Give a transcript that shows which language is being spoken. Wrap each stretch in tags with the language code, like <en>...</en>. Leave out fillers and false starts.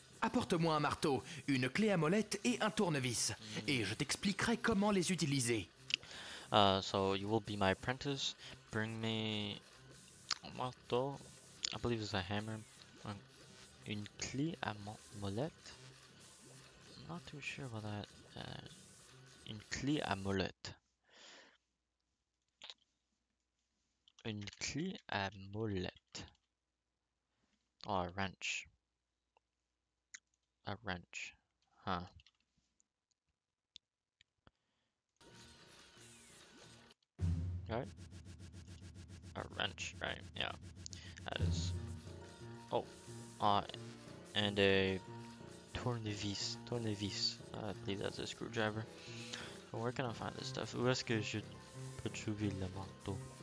<fr>Apporte-moi un marteau, une clé à molette et un tournevis. Mm. Et je t'expliquerai comment les utiliser.</fr> <en>So you will be my apprentice. Bring me</en> <fr>un marteau.</fr> <en>I believe it's a hammer.</en> <fr>Une clé à molette.</fr> <en>I'm not too sure about that.</en> <fr>Une clé à molette. Une clé à molette.</fr> <en>Oh, a wrench. A wrench. Huh. Right? A wrench, right, yeah. That is... and a tournevis. Tournevis. I believe that's a screwdriver. But where can I find this stuff?</en> <fr>Où est-ce que je peux trouver le marteau?</fr>